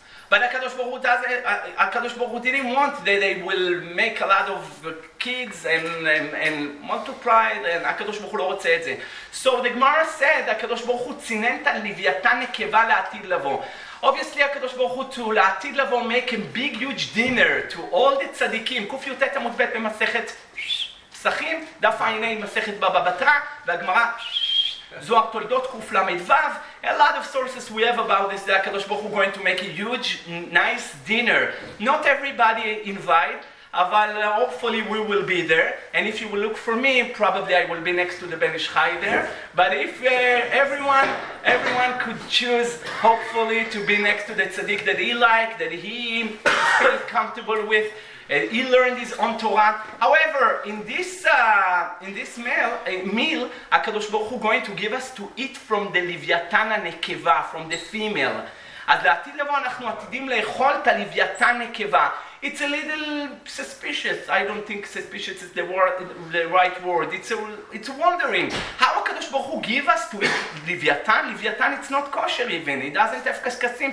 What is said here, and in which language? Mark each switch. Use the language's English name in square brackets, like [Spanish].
[English] But HaKadosh Baruch Hu didn't want that they will make a lot of kids and multiply, and HaKadosh Baruch Hu [Hebrew] לא רוצה את זה. [English] So the Gemara said HaKadosh Baruch Hu [Hebrew] צינן את הלוויתן נקבה לעתיד לבוא. [English] Obviously HaKadosh Baruch Hu to לעתיד לבוא make a big huge dinner to all the tzadikim. [Hebrew] קוף יוטט עמוד ב' במסכת פסחים, דף עיני מסכת בבא בתרא, והגמרא זוהר תולדות קוף למד וו. [English] A lot of sources we have about this, that HaKadosh Baruch Hu going to make a huge, nice dinner. Not everybody invite, but hopefully we will be there. And if you will look for me, probably I will be next to the Ben Ish Chai there. But if everyone could choose, hopefully, to be next to the tzaddik that he like, that he feels comfortable with, and he learned his own Torah. However, in this meal, HaKadosh Baruch Hu going to give us to eat from the Leviathan Nekeva, from the female. [Hebrew] אז לעתיד לבוא אנחנו עתידים לאכול את הלוויתן נקבה. [English] It's a little suspicious. I don't think suspicious is the right word. It's wondering. How HaKadosh Baruch Hu give us to eat לוויתן? לוויתן, it's not kosher even. It doesn't have קשקשים.